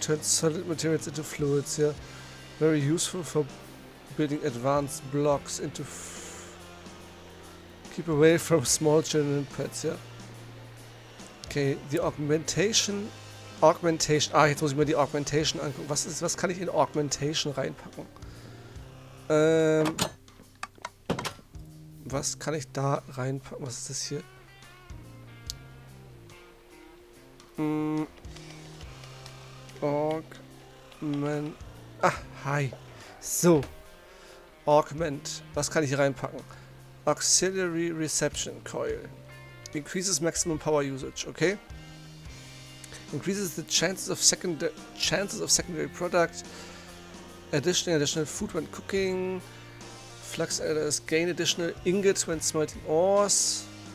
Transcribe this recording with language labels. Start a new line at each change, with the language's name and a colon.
English: Turns solid materials into fluids here. Very useful for building advanced blocks into. Keep away from small children pets, yeah. Okay, the augmentation. Augmentation.
German: Ah, jetzt muss ich mir die Augmentation angucken. Was kann ich in Augmentation reinpacken? Was kann ich da reinpacken? Was ist das hier? Augment. Ah, hi. So. Augment. Was kann ich hier reinpacken?
English: Auxiliary Reception Coil. Increases maximum power usage, okay? Increases the chances of secondary product. Additional food when cooking. Flux adders gain additional ingots when smelting ores.